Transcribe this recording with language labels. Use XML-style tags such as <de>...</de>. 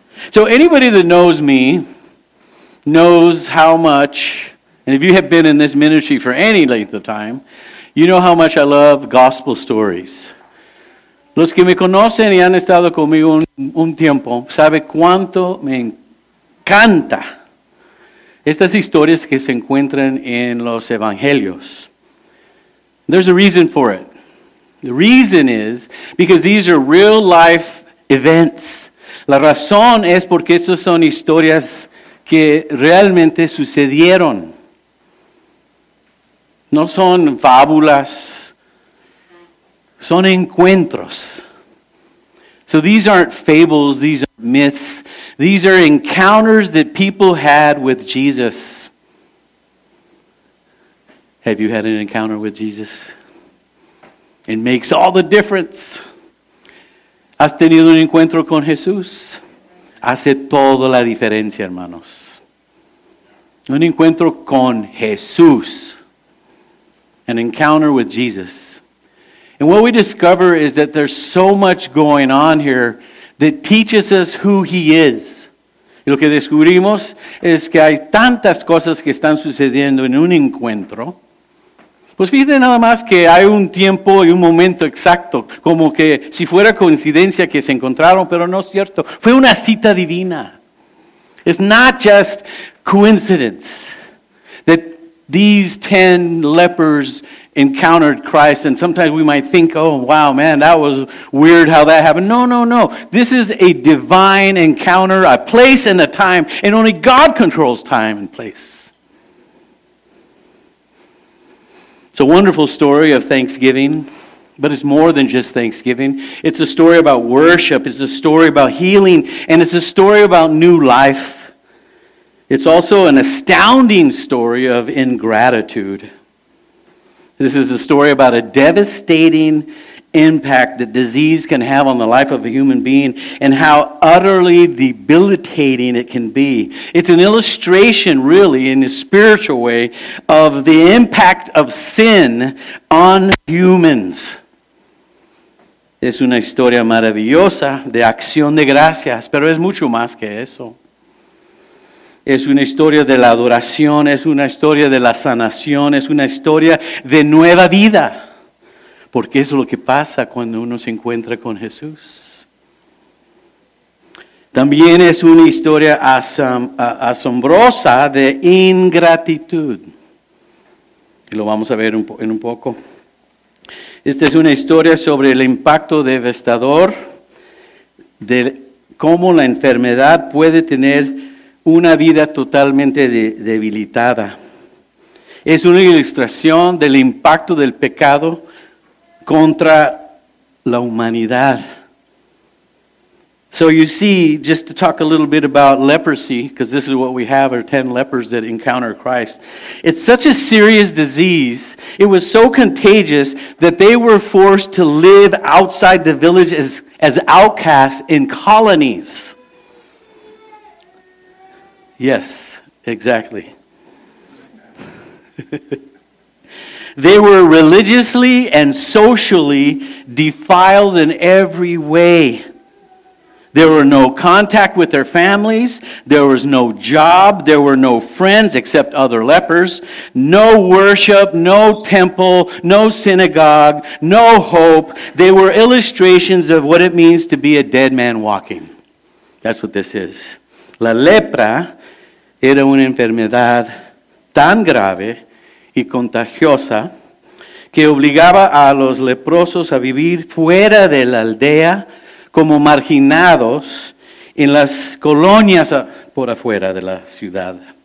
<en>So anybody that knows me knows how much, and if you have been in this ministry for any length of time, you know how much I love gospel stories.</en> <es>Los que me conocen y han estado conmigo un tiempo sabe cuánto me encanta estas historias que se encuentran en los evangelios.</es> <en>There's a reason for it. The reason is because these are real life events.</en> <es>La razón es porque estas son historias que realmente sucedieron. No son fábulas. Son encuentros.</es> <en>So these aren't fables, these aren't myths. These are encounters that people had with Jesus. Have you had an encounter with Jesus? It makes all the difference.</en> <es>¿Has tenido un encuentro con Jesús? Hace toda la diferencia, hermanos. Un encuentro con Jesús.</es> <en>An encounter with Jesus. And what we discover is that there's so much going on here that teaches us who he is.</en> <es>Y lo que descubrimos es que hay tantas cosas que están sucediendo en un encuentro. Pues fíjate nada más que hay un tiempo y un momento exacto, como que si fuera coincidencia que se encontraron, pero no es cierto. Fue una cita divina.</es> <en>It's not just coincidence that these 10 lepers encountered Christ, and sometimes we might think, oh wow, man, that was weird how that happened. No. This is a divine encounter, a place and a time, and only God controls time and place. It's a wonderful story of Thanksgiving, but it's more than just Thanksgiving. It's a story about worship, it's a story about healing, and it's a story about new life. It's also an astounding story of ingratitude. This is a story about a devastating impact that disease can have on the life of a human being and how utterly debilitating it can be. It's an illustration, really, in a spiritual way, of the impact of sin on humans.</en> <es>Es una historia maravillosa de acción de gracias, pero es mucho más que eso. Es una historia de la adoración, es una historia de la sanación, es una historia de nueva vida. Porque eso es lo que pasa cuando uno se encuentra con Jesús. También es una historia asombrosa de ingratitud. Y lo vamos a ver en un poco. Esta es una historia sobre el impacto devastador de cómo la enfermedad puede tener una vida totalmente debilitada. Es una ilustración del impacto del pecado contra la humanidad.</es> <en>So you see, just to talk a little bit about leprosy, because this is what we have, are 10 lepers that encounter Christ. It's such a serious disease. It was so contagious that they were forced to live outside the village as outcasts in colonies. Yes, exactly. They were religiously and socially defiled in every way. There were no contact with their families. There was no job. There were no friends except other lepers. No worship, no temple, no synagogue, no hope. They were illustrations of what it means to be a dead man walking. That's what this is.</en> <es>La lepra era una enfermedad tan grave y contagiosa que obligaba a los leprosos a vivir fuera de la aldea como marginados en las colonias por afuera de la ciudad.</es>